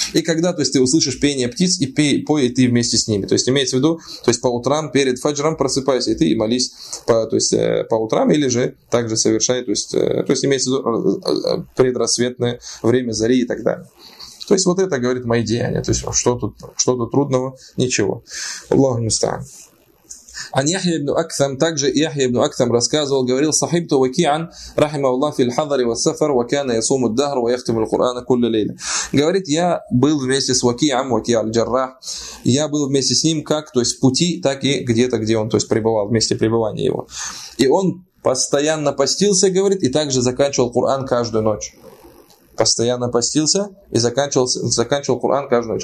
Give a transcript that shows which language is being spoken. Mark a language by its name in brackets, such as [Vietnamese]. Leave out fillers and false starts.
[Russian] И когда, то есть, ты услышишь пение птиц, и пой ты вместе с ними. То есть, имеется в виду, то есть по утрам перед фаджрам просыпайся, и ты молись по утрам, или же также совершай, то есть имеется в виду предрассветное время зари и так далее. То есть вот это говорит мои деяния. То есть что тут трудного? Ничего. Аллаху мустаан. [Arabic] عن يحيى بن أكثم [Russian] также [Arabic] يحيى بن أكثم [Russian] рассказывал, говорил [Arabic] صحبته وكيعا رحمه الله في الحضر والسفر وكان يصوم الدهر ويختم القرآن كل ليلة. [Russian] Говорит, я был вместе с وكيعم, وكيع الجراح, я был вместе с ним как, то есть в пути, так и где-то, где он, то есть пребывал, вместе пребывания его. И он постоянно постился, говорит, и также заканчивал Коран каждую ночь. Постоянно постился и заканчивал Коран каждую ночь.